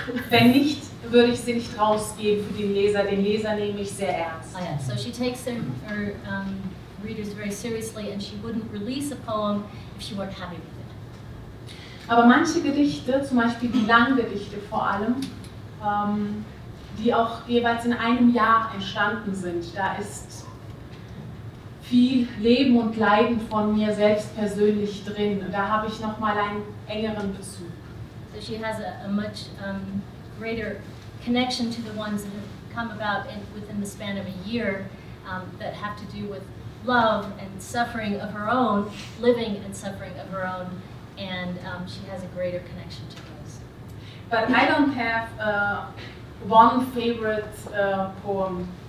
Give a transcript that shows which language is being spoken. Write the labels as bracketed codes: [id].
[de] Wenn nicht, würde ich sie nicht rausgeben für den Leser. Den Leser nehme ich sehr ernst. [en] Oh, yeah. So, she takes her readers very seriously, and she wouldn't release a poem if she weren't happy with it. [de] Aber manche Gedichte, zum Beispiel die Langgedichte vor allem, die auch jeweils in einem Jahr entstanden sind, da ist viel Leben und Leiden von mir selbst persönlich drin. Und da habe ich nochmal einen engeren Bezug. [en] So she has a much greater connection to the ones that have come about in, within the span of a year that have to do with love and suffering of her own, living and suffering of her own, and she has a greater connection to those. But I don't have one favorite poem.